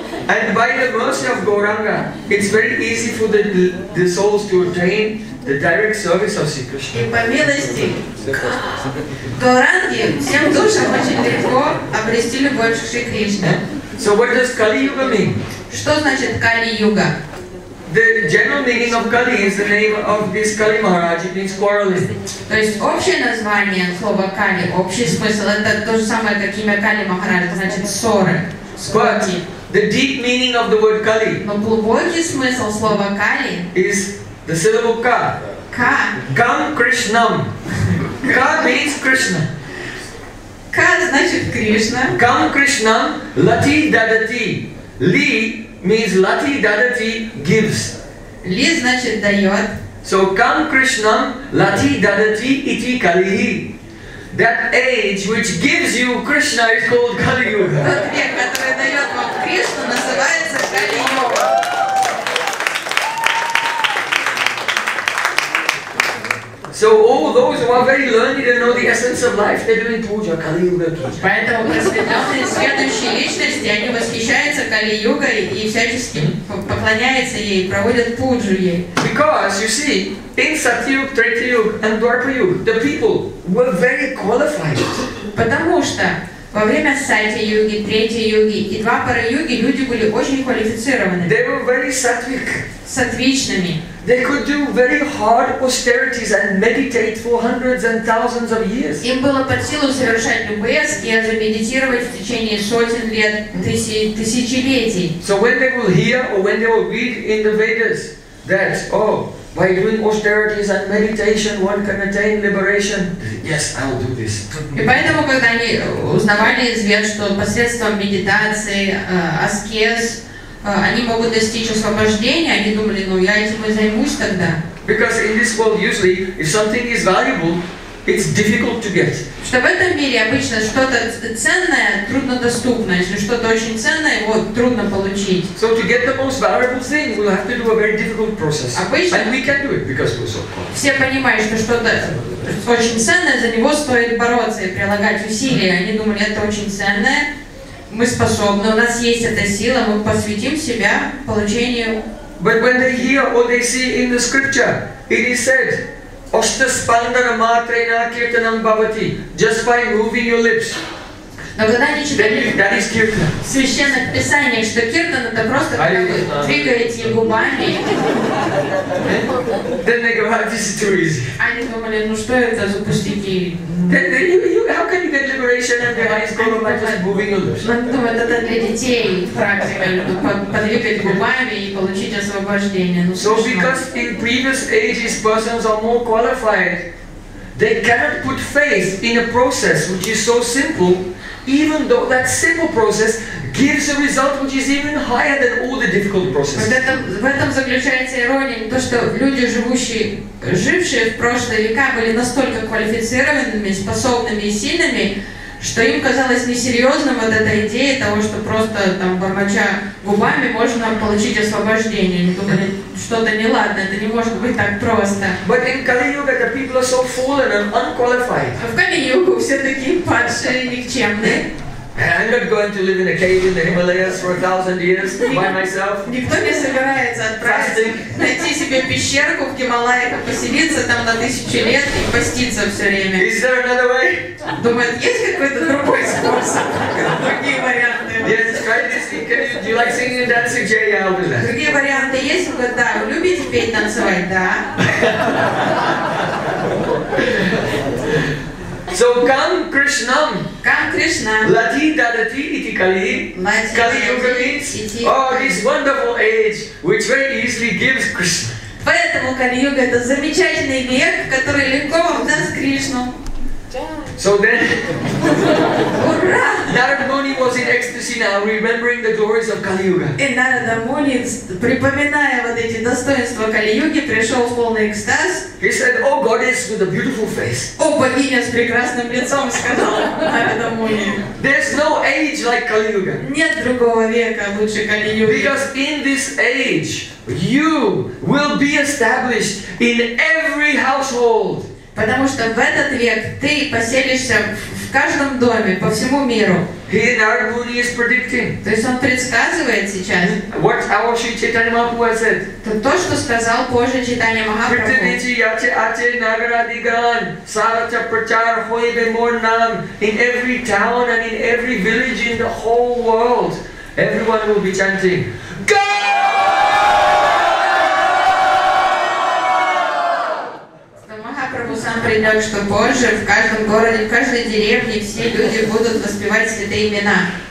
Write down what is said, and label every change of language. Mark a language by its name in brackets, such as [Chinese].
[English] And by the mercy of Gauranga, it's very easy for the souls to attain the direct service of Sri Krishna. [Russian] И по милости Гауранги всем душам очень легко обрести любовь к Шри Кришне. [English] So what does Kali Yuga mean? [Russian] Что значит Kali Yuga? [English] The general meaning of Kali is the name of this Kali Maharaj. It means quarreling. [Russian] То есть общее название слова Кали, общий смысл, это то же самое, как имя Кали Махарадж, это значит ссоры. [English] But the deep meaning of the word Kali. [Russian] Но глубокий смысл слова Кали. [English] Is the syllable Ka. Ka. Kam Krishnam. Ka means Krishna. [Russian] Ka значит Кришна. [Sanskrit] Kam Krishnam Lati Dadati Li. [English] Means lati dadati gives. [Russian] Ли значит дает. [Sanskrit] So kam Krishnam lati dadati iti kalihi. [English] That age which gives you Krishna is called Kali Yuga. [Russian] Тот век, который дает вам Кришну, называется Kali Yuga. [English] So all those who are very learned and know the essence of life, they're doing puja, Kali Yuga puja. [Russian] Поэтому просветленные следующие личности, они восхищаются Кали Югой и всячески поклоняются ей, проводят пуджу ей. [English] Because you see, in Сатьюг, Третьюг, and Дварапаюг, the people were very qualified. [Russian] Потому что во время Сатьюги, Третьюги и Двапараюги люди были очень квалифицированы. [English] They were very сатвик. [Russian] Сатвичными. [English] They could do very hard austerities and meditate for hundreds and thousands of years. [Russian] Им было под силу совершать любые аскезы, медитировать в течение сотен лет, тысячелетий. [English] So when they will hear or when they will read in the Vedas that, oh, by doing austerities and meditation one can attain liberation, yes, I'll do this. [Russian] И поэтому, когда они узнавали из Вед, что посредством медитации, аскез, они могут достичь освобождения, они думали, ну я этим и займусь тогда. [English] Because in this world usually, if something is valuable, it's difficult to get. [Russian] Что в этом мире обычно что-то ценное труднодоступно, если что-то очень ценное, его трудно получить. [English] So to get the most valuable thing, we'll have to do a very difficult process. [Russian] Обычно, [English] and we can do it because we're so poor. [Russian] Все понимают, что что-то очень ценное, за него стоит бороться и прилагать усилия. Они думали, это очень ценное. Мы способны, у нас есть эта сила, мы посвятим себя получению. [English] But when they hear or they see in the scripture, it is said, [Sanskrit] Ashtaspandana matrena kirtanam bhavati, [English] just by moving your lips. [Russian] Но когда они читали [English] that is kirtan. [Russian] В священных писаниях, что киртан это просто двигаете губами. [English] Then they go, oh, this is too easy. [Russian] Они думали, ну что это за пустяки? [English] How can you get liberation and your eyes go on by just moving your lips? [Russian] Ну, думаю, это для детей практика, подвигать губами и получить освобождение. [English] So because in previous ages persons are more qualified, they cannot put faith in a process which is so simple, even though that simple process gives a result which is even higher than all the difficult processes. [Russian] В этом заключается ирония, то что люди, жившие в прошлые века, были настолько квалифицированными, способными и сильными, что им казалось несерьезным вот эта идея того, что просто там бормоча губами можно получить освобождение. Они думали, что-то неладно, это не может быть так просто. [English] But in Kali-yuga the people are so fallen and unqualified. [Russian] А в Кали-югу все такие падшие, никчемные. [English] I'm not going to live in a cave in the Himalayas for a thousand years by myself. [Russian] Никто не собирается отправиться найти себе пещерку в Гималаях, поселиться там на тысячу лет и поститься все время. [English] Is there another way? [Russian] Думает, есть какой-то другой способ, другие варианты. [English] Yes, try this. Do you like singing and dancing? Yeah, I'll do that. [Russian] Другие варианты есть, но да, любите петь, танцевать, да. [Sanskrit] So kam Krishnam, kam Krishnam, lati dadati iti kalihi, [English] Kali Yuga means, oh, this wonderful age which very easily gives Krishna. [Russian] Поэтому Кали Юга это замечательный век, который легко вам даст Кришну. [English] So then, Narada Muni was in ecstasy now, remembering the glories of Kali Yuga. И Нарада Муни, припоминая вот эти достоинства Кали Юги, пришел в полный экстаз. He said, "Oh goddess with a beautiful face." [Russian] О богиня с прекрасным лицом, сказал Нарада Муни. [English] There's no age like Kali Yuga. [Russian] Нет другого века лучше Кали Юги. [English] Because in this age, you will be established in every household. [Russian] Потому что в этот век ты поселишься в каждом доме, по всему миру. [English] He, Narada Muni, is predicting. [Russian] То есть он предсказывает сейчас. [English] What our Sri Chaitanya Mahaprabhu said. [Russian] То, что сказал позже Чайтанья Махапрабху. [Bangla] Притяните яте ате нагарадиган, сарача прачар хой беморнам. [English] In every town and in every village in the whole world, everyone will be chanting, Go! [Russian] Так что позже в каждом городе, в каждой деревне все люди будут воспевать святые имена.